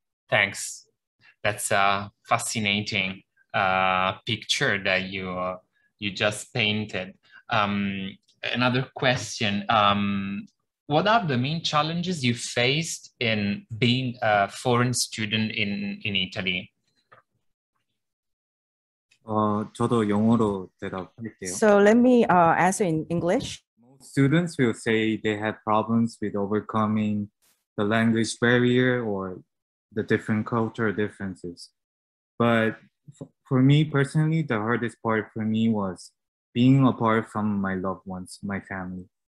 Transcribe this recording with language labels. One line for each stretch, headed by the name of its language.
English: Thanks. That's fascinating. picture that you just painted. Another question, what are the main challenges you faced in being a foreign student in Italy?
Korean: 저도 영어로 대답할게요.
English: So let me answer in English. Most students will say they have problems with overcoming the language barrier or the different cultural differences. But for me personally, the hardest part for me was being apart from my loved ones, my family.